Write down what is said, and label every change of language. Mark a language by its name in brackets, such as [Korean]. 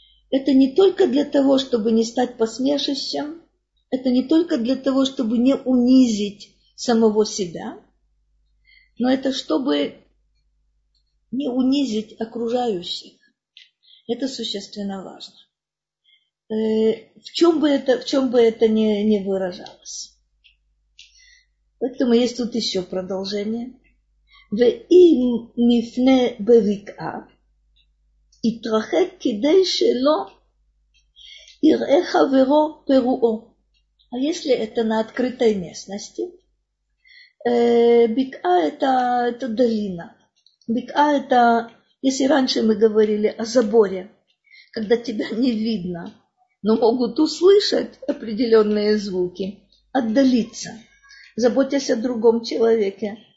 [Russian] Это не только для того, чтобы не стать посмешищем, это не только для того, чтобы не унизить самого себя, но это чтобы не унизить окружающих. Это существенно важно. В чем бы это ни выражалось. Поэтому есть тут еще продолжение. [Hebrew] ואם נפנה בבקעה, יתרחק כדי שלא יראה חברו פרועו. [Russian] А если это на открытой местности? Бекъа – это долина. Бекъа – это, если раньше мы говорили о заборе, когда тебя не видно, но могут услышать определенные звуки, отдалиться, заботясь о другом человеке.